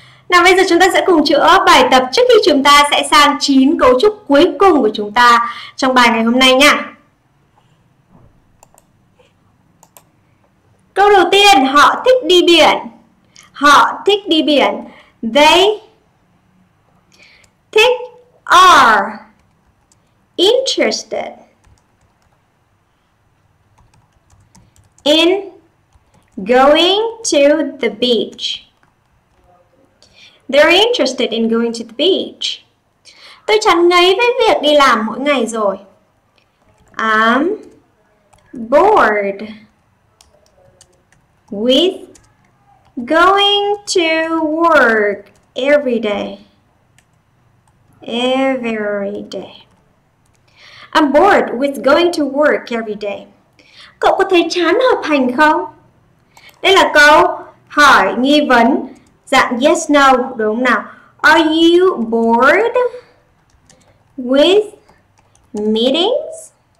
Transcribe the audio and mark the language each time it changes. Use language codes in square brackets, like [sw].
[vi] Nào bây giờ chúng ta sẽ cùng chữa bài tập trước khi chúng ta sẽ sang 9 cấu trúc cuối cùng của chúng ta trong bài ngày hôm nay nha. Câu đầu tiên, họ thích đi biển. Họ thích đi biển. [en] They thích are interested in going to the beach. They're interested in going to the beach. [vi] Tôi chán ngấy với việc đi làm mỗi ngày rồi. [en] I'm bored with going to work every day. Every day. I'm bored with going to work every day. [vi] Cậu có thấy chán học hành không? Đây là câu hỏi nghi vấn dạng yes no, đúng không nào? [en] Are you bored with meetings?